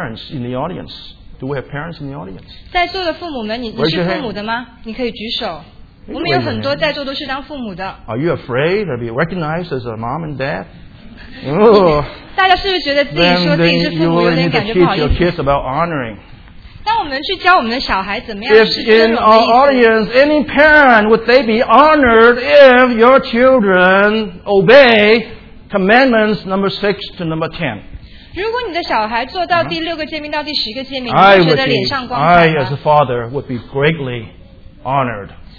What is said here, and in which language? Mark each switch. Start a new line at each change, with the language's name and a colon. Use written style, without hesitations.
English: in the audience, do we have parents in the audience?
Chinese: 在座的父母们，你是父母的吗？你可以举手。我们有很多在座都是当父母的。
English: Are you afraid to be recognized as a mom and dad?
Chinese: 大家是不是觉得自己说自己是父母有点感觉不好意思？当我们去教我们的小孩怎么样？
English: If in our audience, any parent would they be honored if your children obey commandments number 6 to number 10?
Chinese: 如果你的小孩做到第六个诫命到第十个诫命，你会觉得脸上光彩吗?
English: I as a father would be greatly honored.